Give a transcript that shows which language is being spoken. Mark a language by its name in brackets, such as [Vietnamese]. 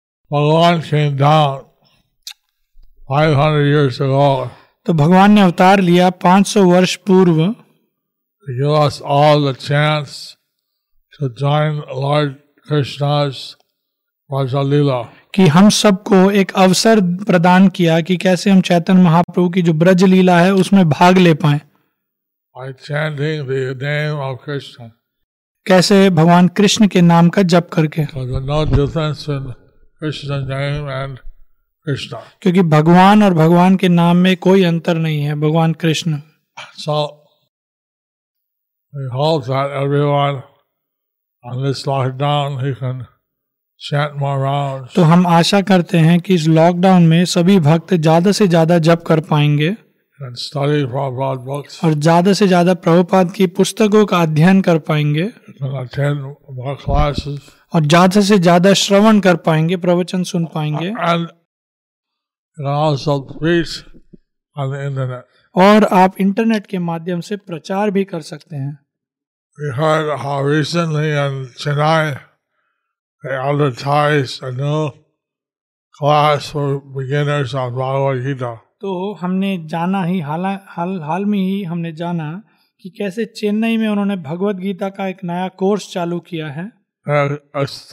[English] Bhagavan came down 500 years ago. [Hindi] तो भगवान ने अवतार लिया 500 वर्ष पूर्व. [English] To give us all the chance to join Lord Krishna's Vajalila. [Hindi] कि हम सबको एक अवसर प्रदान किया कि कैसे हम चैतन्य महाप्रभु की जो ब्रज लीला है उसमें भाग ले पाए [English] By chanting the name of Krishna. [Hindi] कैसे भगवान कृष्ण के नाम का जप करके क्योंकि भगवान और भगवान के नाम में कोई अंतर नहीं है भगवान Krishna [English] so, we hope that everyone on this lockdown, he can Chant more rounds. [Hindi] तो हम आशा करते हैं कि इस लॉकडाउन में सभी भक्त ज्यादा से ज्यादा जप कर पाएंगे [English] And study Prabhupada books. [Hindi] और ज्यादा से ज्यादा प्रभुपाद की पुस्तकों का अध्ययन कर पाएंगे [English] And attend more classes. [Hindi] और ज्यादा से ज्यादा श्रवण कर पाएंगे प्रवचन सुन पाएंगे [English] And also preach on the internet. [Hindi] और आप इंटरनेट के माध्यम से प्रचार भी कर सकते हैं [English] We heard how recently in Chennai, They advertised a new class for beginners on Bhagavad Gita. [Hindi] तो हमने जाना ही हाल में ही हमने जाना कि कैसे चेन्नई में उन्होंने भगवत गीता का एक नया कोर्स चालू किया है.